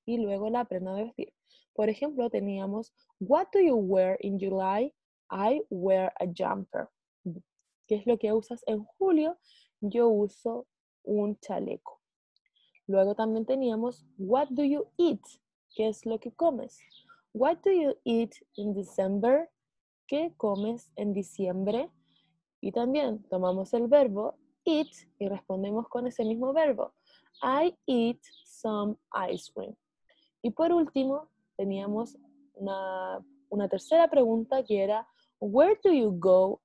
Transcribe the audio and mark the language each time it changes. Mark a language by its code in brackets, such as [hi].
[es] Y luego la prenda de vestir. Por ejemplo, teníamos, [en] what do you wear in July? I wear a jumper. [es] ¿Qué es lo que usas en julio? Yo uso un chaleco. Luego también teníamos, [en] what do you eat? [es] ¿Qué es lo que comes? [en] What do you eat in December? [es] ¿Qué comes en diciembre? Y también tomamos el verbo eat y respondemos con ese mismo verbo. [en] I eat some ice cream. [es] Y por último, teníamos una tercera pregunta que era, where do you go?